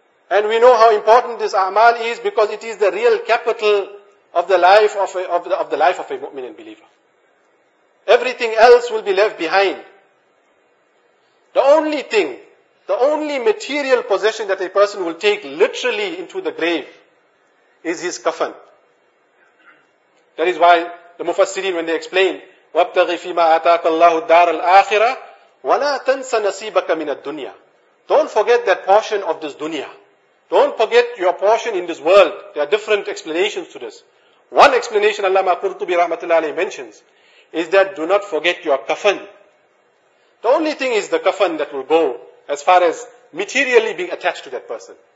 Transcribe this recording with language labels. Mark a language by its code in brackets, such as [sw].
[en] And we know how important this a'mal is because it is the real capital of the life of the life of a mu'min and believer. Everything else will be left behind. The only thing, the only material possession that a person will take literally into the grave is his kafan. That is why the mufassirin, when they explain, [ar] وَابْتَغِ فِي مَا أَتَاكَ اللَّهُ الدَّارَ الْآخِرَةِ وَلَا تَنْسَ نَصِيبَكَ مِنَ الدُّنْيَا. [en] Don't forget that portion of this dunya. Don't forget your portion in this world. There are different explanations to this. One explanation Allama Qurtubi rahmatullahi alayhi mentions is that do not forget your kafan. The only thing is the kafan that will go as far as materially being attached to that person.